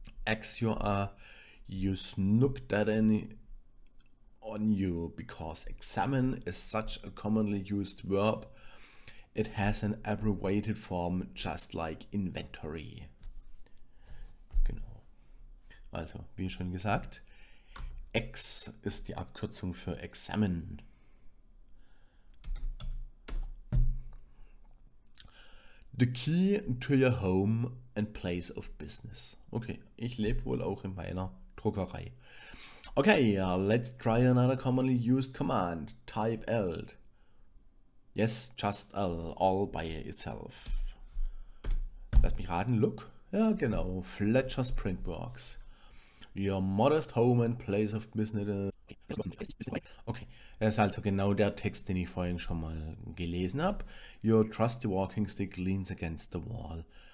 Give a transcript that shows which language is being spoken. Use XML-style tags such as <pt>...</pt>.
<en>X you are, you snook that in on you, because examine is such a commonly used verb, it has an abbreviated form just like inventory.</en> <de>Genau. Also, wie schon gesagt, X ist die Abkürzung für examine.</de> <en>The key to your home and place of business.</en> <de>Okay, ich lebe wohl auch in meiner Druckerei.</de> <en>Okay, let's try another commonly used command. Type L. Yes, just L, all by itself.</en> <de>Lass mich raten,</de> <en>look.</en> <de>Ja, genau,</de> <en>Fletcher's Printworks. Your modest home and place of business.</en> <de>Okay, das ist also genau der Text, den ich vorhin schon mal gelesen habe.</de> <en>Your trusty walking stick leans against the wall.</en>